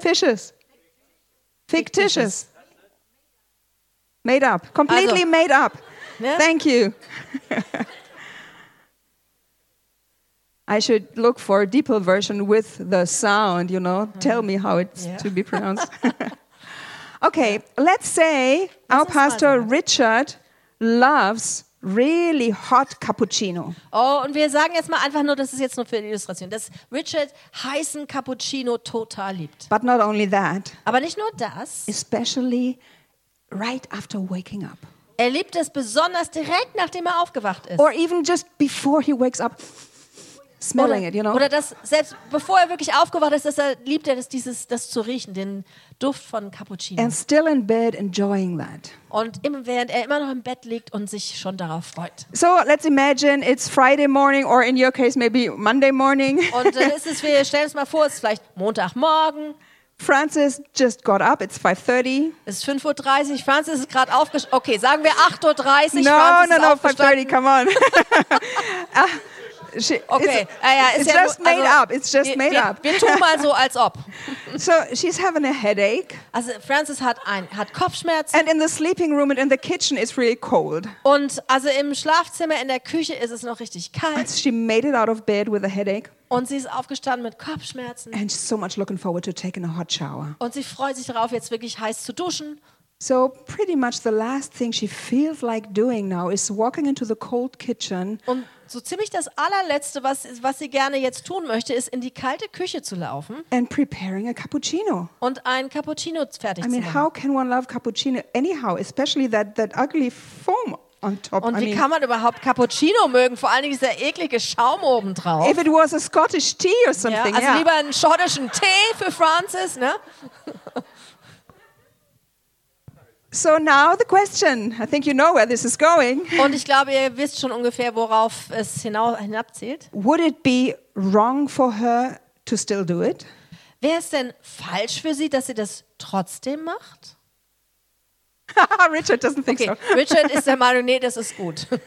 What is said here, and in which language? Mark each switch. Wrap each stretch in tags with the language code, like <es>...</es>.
<en>Fishes. Fictitious. Made up. Completely also, made up. Ne? Thank you. I should look for a deeper version with the sound, you know. Tell me how it's to be pronounced. Okay, let's say our pastor Richard loves really hot cappuccino.</en> <de>Oh, und wir sagen jetzt mal einfach nur, das ist jetzt nur für die Illustration, dass Richard heißen Cappuccino total liebt.</de> <en>But not only that.</en> <de>Aber nicht nur das.</de> <en>Especially right after waking up.</en> <de>Er liebt es besonders direkt, nachdem er aufgewacht ist.</de> <en>Or even just before he wakes up. Smelling</en> <de>oder,</de> <en>it, you know?</en> <de>Oder das selbst bevor er wirklich aufgewacht ist, dass er liebt er das dieses das zu riechen, den Duft von Cappuccino.</de> <en>And still in bed enjoying that.</en> <de>Und immer während er immer noch im Bett liegt und sich schon darauf freut.</de> <en>So let's imagine it's Friday morning or in your case maybe Monday morning.</en> <de>Und ist es, wir stellen es mal vor, es ist vielleicht Montagmorgen.</de> <en>Francis just got up. It's 5:30.</en> <de>Es ist 5:30. Francis ist gerade aufgestanden. Okay, sagen wir 8:30.</de> <en>No, 5:30. Come on. It's just made up.</en> <de>Wir tun mal so, als ob.</de> <en>So she's having a headache.</en> <de>Also Frances hat Kopfschmerzen.</de> <en>And in the sleeping room and in the kitchen it's really cold.</en> <de>Und also im Schlafzimmer in der Küche ist es noch richtig kalt.</de> <en>And she made it out of bed with a headache.</en> <de>Und sie ist aufgestanden mit Kopfschmerzen.</de> <en>And she's so much looking forward to taking a hot shower.</en> <de>Und sie freut sich darauf, jetzt wirklich heiß zu duschen.</de> <en>So pretty much the last thing she feels like doing now is walking into the cold kitchen.</en> <de>Und so ziemlich das allerletzte, was sie gerne jetzt tun möchte, ist in die kalte Küche zu laufen.</de> <en>And preparing a cappuccino.</en> <de>Und ein Cappuccino fertig zu machen.</de> <en>I mean, how can one love cappuccino anyhow, especially that ugly foam on top?</en> <de>Und</de> <en>I</en> <de>wie</de> <en>mean,</en> <de>kann man überhaupt Cappuccino mögen? Vor allen Dingen dieser eklige Schaum oben drauf.</de> <en>If it was a Scottish tea or something.</en> <de>Ja, also lieber einen schottischen Tee für Francis, ne?</de> <en>So now the question. I think you know where this is going.</en> <de>Und ich glaube, ihr wisst schon ungefähr, worauf es hinabzielt.</de> <en>Would it be wrong for her to still do it?</en> <de>Wäre es denn falsch für sie, dass sie das trotzdem macht?</de> <en>Richard doesn't think okay. so.</en> <de>Richard ist der Meinung, nee, das ist gut.</de>